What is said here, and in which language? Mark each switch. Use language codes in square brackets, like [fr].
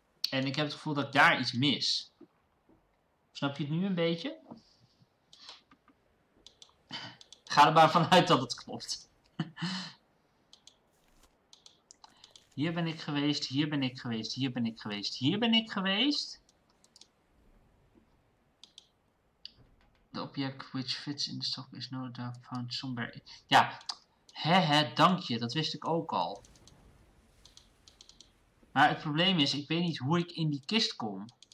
[nl] En ik heb het gevoel dat ik daar iets mis. Snap je het nu een beetje? Ga er maar vanuit dat het klopt. Hier ben ik geweest, hier ben ik geweest, hier ben ik geweest, hier ben ik geweest. [en] The object which fits in the stock is no doubt found somewhere. [nl] Ja, dank je, dat wist ik ook al. Maar het probleem is, ik weet niet hoe ik in die kist kom.